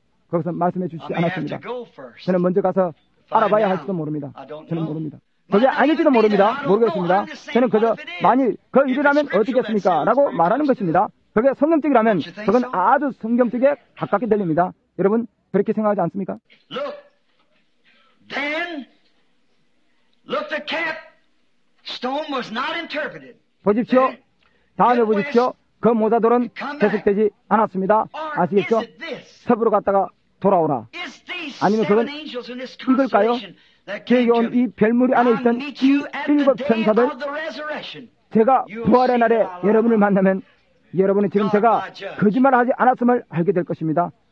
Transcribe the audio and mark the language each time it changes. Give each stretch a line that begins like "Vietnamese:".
Korean: 그것은 말씀해 주시지 않았습니다. 저는 먼저 가서 알아봐야 할지도 모릅니다. 저는 모릅니다. 그게 아닐지도 모릅니다. 모르겠습니다. 저는 그저 만일 그 일이라면 어떻겠습니까? 라고 말하는 것입니다. 그게 성경적이라면 그건 아주 성경적에 가깝게 들립니다. 여러분 그렇게 생각하지 않습니까?
English: Look, then, look the cap stone was not interpreted.
Korean: 보십시오. 다음에 보십시오. 그 모자돌은 해석되지 않았습니다. 아시겠죠? 서부로 갔다가 돌아오라. 아니면 그건 이걸까요? 저에게 온 이 별무리 안에 있던 이 일곱 천사들 제가 부활의 날에 여러분을 만나면 여러분은 지금 제가 거짓말을 하지 않았음을 알게 될 것입니다.